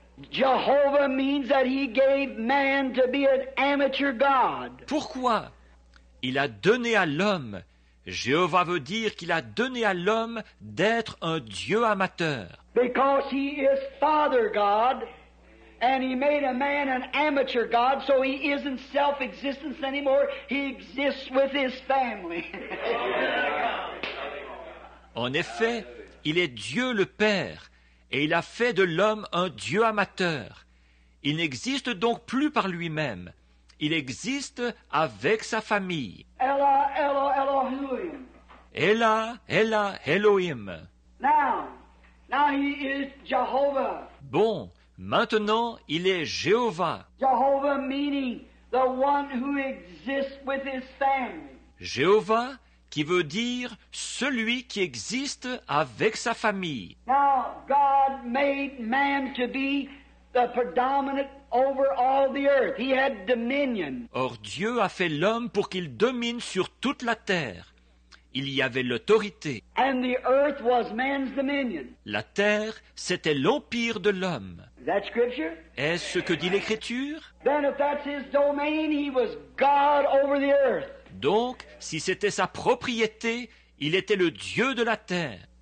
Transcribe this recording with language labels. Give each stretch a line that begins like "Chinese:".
English: Jehovah means that he gave man to be an amateur god.
French: Pourquoi? Il a donné à l'homme. Jéhovah veut dire qu'il a donné à l'homme d'être un dieu amateur.
English: Because he is father god and he made a man an amateur god so he isn't self-existence anymore. He exists with his family.
French: En effet, il est Dieu le Père, et il a fait de l'homme un Dieu amateur. Il n'existe donc plus par lui-même. Il existe avec sa famille. Ella, Ella, Elohim. Ella, Ella, Elohim.
English: Now he is Jehovah.
French: Bon, maintenant il est Jéhovah.
English: Jehovah meaning the one who exists with his family.
French: Jéhovah qui veut dire celui qui existe avec sa famille.
English: Now, God made man to be the predominant over all the earth. He had dominion.
French: Or, Dieu a fait l'homme pour qu'il domine sur toute la terre. Il y avait l'autorité.
English: And the earth was man's dominion.
French: La terre, c'était l'empire de l'homme.
English: Is that scripture?
French: Est-ce ce que dit l'Écriture?
English: Then, if that's his domain, he was God over the earth.
French: Donc, si c'était sa propriété, il était le Dieu de la terre.